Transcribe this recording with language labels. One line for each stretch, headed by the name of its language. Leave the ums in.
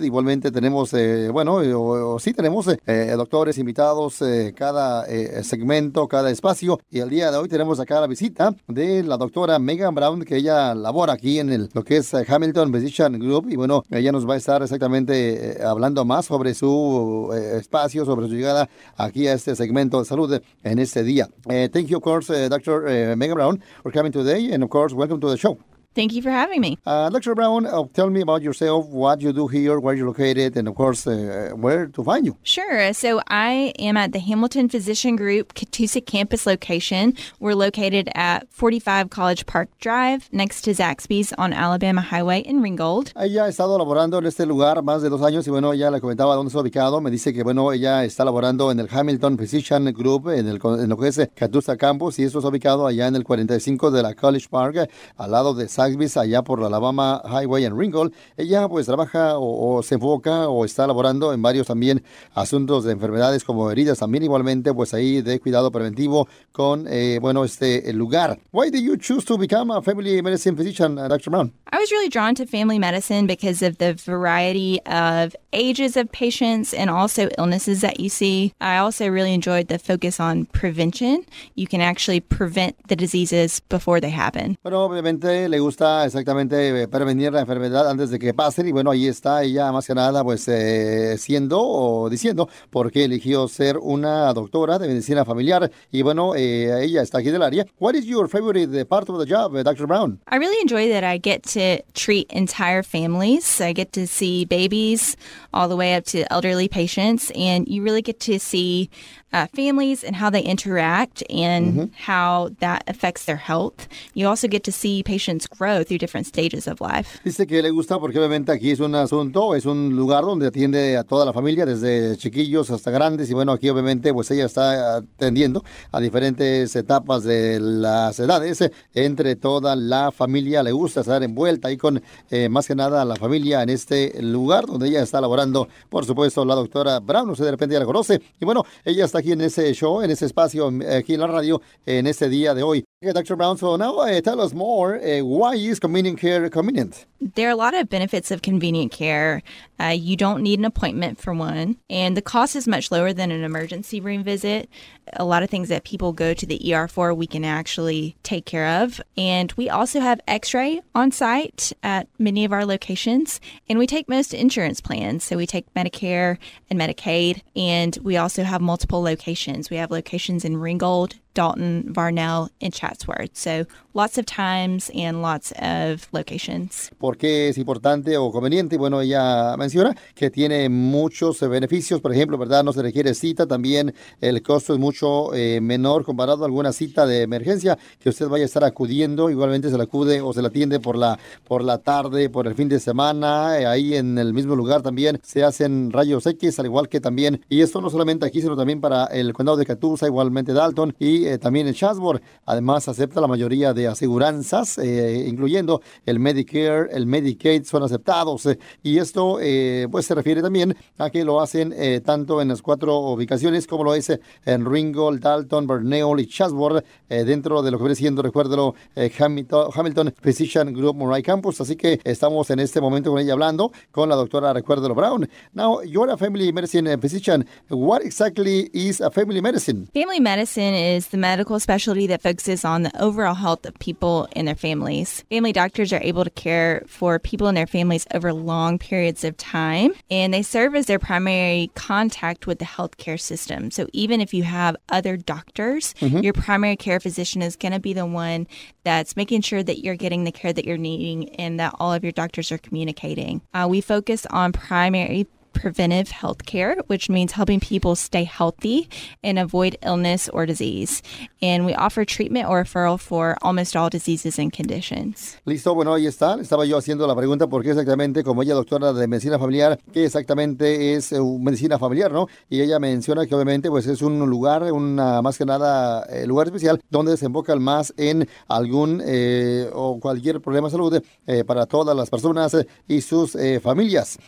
Spanish: Igualmente tenemos, eh, bueno, o, o sí tenemos doctores invitados cada segmento, cada espacio. Y el día de hoy tenemos acá la visita de la doctora Megan Brown, que ella labora aquí en el, lo que es Hamilton Physician Group. Y bueno, ella nos va a estar exactamente hablando más sobre su eh, espacio, sobre su llegada aquí a este segmento de salud en este día.
English: Uh, thank you, of course, uh, Dr. Uh, Megan Brown, for coming today, and of course, welcome to the show. Thank you for having me. Dr. Brown, tell me about yourself, what you do here, where you're located, and of course, where to find you. Sure. So I am at the Hamilton Physician Group Catoosa campus location. We're located at 45 College Park Drive, next to Zaxby's on Alabama Highway in Ringgold.
Spanish: Ella ha estado laborando en este lugar más de dos años y bueno, ella le comentaba dónde está ubicado. Me dice que bueno, ella está laborando en el Hamilton Physician Group, en, el, en lo que es Catoosa Campus, y eso está ubicado allá en el 45 de la College Park, al lado de Zaxby's allá por la Alabama Highway en Ringgold. Ella pues trabaja o, o, se enfoca o está elaborando en varios también asuntos de enfermedades como heridas también igualmente pues ahí de cuidado preventivo con eh, bueno este lugar.
English: Why did you choose to become a family medicine physician, Dr. Brown? I was really drawn to family medicine because of the variety of ages of patients and also illnesses that you see. I also really enjoyed the focus on prevention. You can actually prevent the diseases before they happen.
Spanish: Bueno, obviamente le gusta está exactamente prevenir la enfermedad antes de que pasen. Y bueno, ahí está ella más que nada, pues eh, siendo o diciendo por qué eligió ser una doctora de medicina familiar. Y bueno, eh, ella está aquí del área.
English: What is your favorite part of the job, Dr. Brown? I really enjoy that I get to treat entire families. I get to see babies all the way up to elderly patients, and you really get to see uh, families and how they interact and mm -hmm. how that affects their health. You also get to see patients grow through different stages of life. Dice que le gusta porque obviamente aquí es un asunto, es un lugar donde atiende a toda la familia, desde chiquillos hasta grandes y bueno, aquí obviamente pues ella está atendiendo a diferentes etapas de las edades entre toda la familia. Le gusta estar envuelta ahí con eh, más que nada la familia en este lugar donde ella está laborando, por supuesto, la doctora Brown, usted de repente ya la conoce y bueno, ella está aquí en ese show, en ese espacio, aquí en la radio, en este día de hoy. Okay, Dr. Brown, so now uh, tell us more. Uh, why is convenient care convenient? There are a lot of benefits of convenient care. Uh, you don't need an appointment for one, and the cost is much lower than an emergency room visit. A lot of things that people go to the ER for, we can actually take care of. And we also have x ray on site at many of our locations, and we take most insurance plans. So we take Medicare and Medicaid, and we also have multiple locations. We have locations in Ringgold, Dalton, Varnell, and Chatsworth. So lots of times and lots of locations.
Spanish: ¿Por qué es importante o conveniente? Bueno, ella menciona que tiene muchos beneficios, por ejemplo, ¿verdad? No se requiere cita, también el costo es mucho eh, menor comparado a alguna cita de emergencia que usted vaya a estar acudiendo, igualmente se la acude o se la atiende por la, por la tarde, por el fin de semana, eh, ahí en el mismo lugar también se hacen rayos X, al igual que también, y esto no solamente aquí, sino también para el condado de Catoosa, igualmente Dalton y eh, también en Chatsworth. Además, acepta la mayoría de aseguranzas, eh, incluyendo el Medicare, el Medicaid, son aceptados. Eh, y esto, pues, se refiere también a que lo hacen tanto en las cuatro ubicaciones como lo es en Ringgold, Dalton, Berneol y Chatsworth, dentro de lo que viene siendo, recuérdalo, Hamilton, Hamilton, Physician Group Murray Campus. Así que estamos en este momento con ella hablando con la doctora, recuérdalo, Brown.
English: Now, you're a family medicine physician. What exactly is a family medicine? Family medicine is the medical specialty that focuses on the overall health of people and their families. Family doctors are able to care for people and their families over long periods of time, and they serve as their primary contact with the healthcare system. So even if you have other doctors, mm -hmm. your primary care physician is going to be the one that's making sure that you're getting the care that you're needing and that all of your doctors are communicating. Uh, we focus on primary preventive health care, which means helping people stay healthy and avoid illness or disease. And we offer treatment or referral for almost all diseases and conditions.
Spanish: Listo, bueno, ahí está. Estaba yo haciendo la pregunta porque exactamente, como ella doctora de medicina familiar, que exactamente es eh, medicina familiar, ¿no? Y ella menciona que obviamente pues es un lugar, una más que nada eh, lugar especial donde se enfocan más en algún eh, o cualquier problema de salud para todas las personas y sus familias.